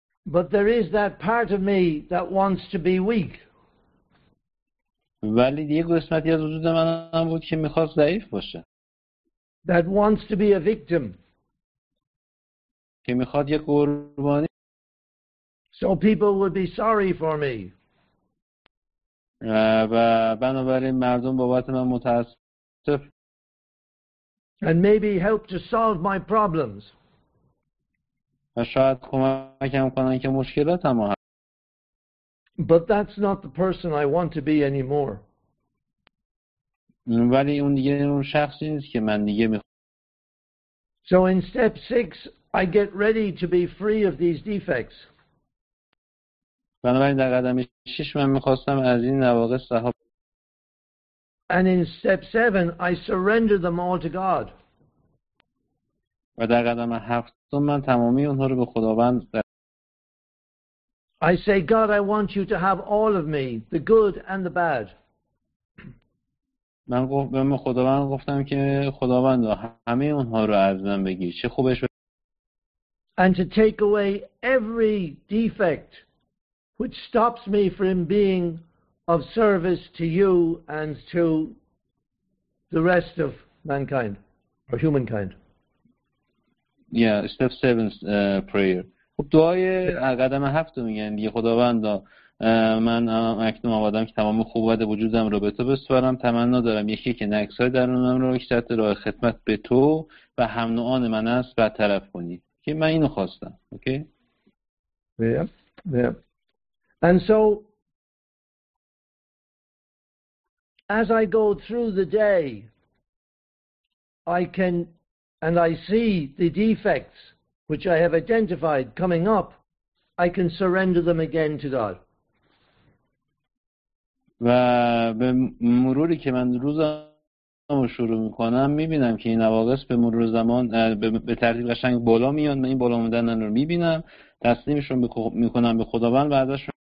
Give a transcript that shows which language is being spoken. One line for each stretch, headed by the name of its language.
English: But there is that part of me that wants to be weak.
Persian: ولی یه قسمتی از وجود من هم بود که میخواست ضعیف باشه.
English: That wants to be a victim.
Persian: که میخواد یه قربانی.
English: So people would be sorry for me.
Persian: و بنابراین مردم بابت من متاسف.
English: And maybe help to solve my problems.
Persian: و شاید کمکم کنن که مشکلاتم رو حل.
English: But that's not the person I want to be anymore.
Persian: ولی اون دیگه اون شخصی نیست که من دیگه میخوام.
English: So in step 6 I get ready to be free of these defects.
Persian: بنابراین در قدم 6 من میخواستم از این نواقص رها.
English: And in step 7 I surrender them all to God.
Persian: و در قدم 7 من تمامی اونها رو به خداوند
English: I say, God, I want you to have all of me, the good and the bad.
Persian: من به خداوند گفتم که خداوند همه اونها رو از من بگیر. چه خوبش.
English: And to take away every defect which stops me from being of service to you and to the rest of mankind or humankind. Yeah, step 7 prayer.
Persian: دعای قدم هفتم میگن دیگه خداوند من اکنون آمادم که تمام خوبات وجودم رو به تو بسپارم. تمنا دارم یکی که نقصای درونم رو یک سطح راه خدمت به تو و هم نوعان من است برطرف کنی که من اینو خواستم.
English: Okay? yeah. And so as I go through the day I can and I see the defects which I have identified coming up, I can surrender them again to God.
Persian: و به مروری که من روزم رو شروع میکنم میبینم که این نواقص به مرور زمان به ترتیب قشنگ بالا میان. من این بالا آمدن رو میبینم تسلیمشون میکنم به خداوند و ازشون.